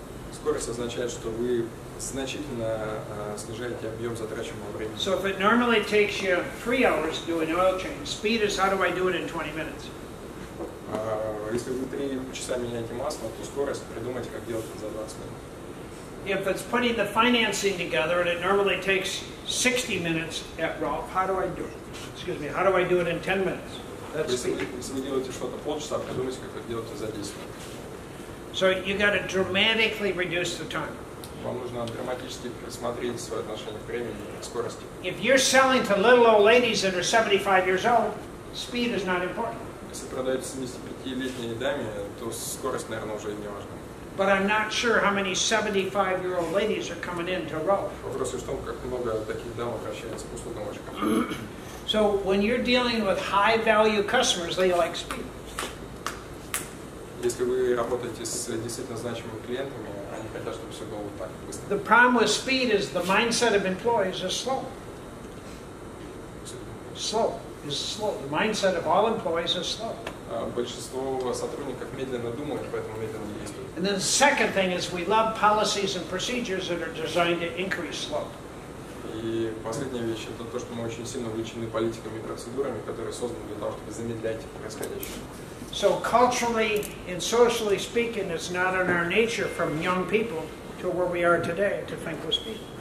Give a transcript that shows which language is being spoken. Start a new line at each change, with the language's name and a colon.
Russian: Скорость означает, что вы значительно снижаете объем затраченного времени.
English: So if it normally takes you 3 hours to do an oil change, speed is how do I do it in 20 minutes?
Russian: Если вы 3 часа меняете масло, то скорость придумайте, как делать это за 20 минут.
English: If it's putting the financing together and it normally takes 60 minutes at Rolf, how do I do it? Excuse me, how do I do it in 10 minutes?
Russian: Если вы делаете что-то полчаса, придумайте, как это делать за 10 минут.
English: So you got to dramatically reduce the time.
Russian: Вам нужно драматически пересмотреть свое отношение к времени и скорости.
English: If you're selling to little old ladies that are 75 years old, speed is not important.
Russian: Если продаете 75-летней даме, то скорость, наверное, уже не важна.
English: But I'm not sure how many 75-year-old ladies are coming in to Rolf.
Russian: Вопрос в том, как много таких дам обращается к услугам вашей компании.
English: So when you're dealing with high-value customers, they like speed.
Russian: Если вы работаете с действительно значимыми клиентами, они хотят, чтобы все было так быстро.
English: The problem with speed is the mindset of employees is slow. Slow. Is slow. The mindset of all employees is slow.
Russian: Большинство сотрудников медленно думают, поэтому медленно действуют.
English: And then the second thing is we love policies and procedures that are designed to increase slope.
Russian: И последняя вещь – это то, что мы очень сильно увлечены политиками и процедурами, которые созданы для того, чтобы замедлять происходящее.
English: So culturally and socially speaking, it's not in our nature from young people to where we are today to think or speak.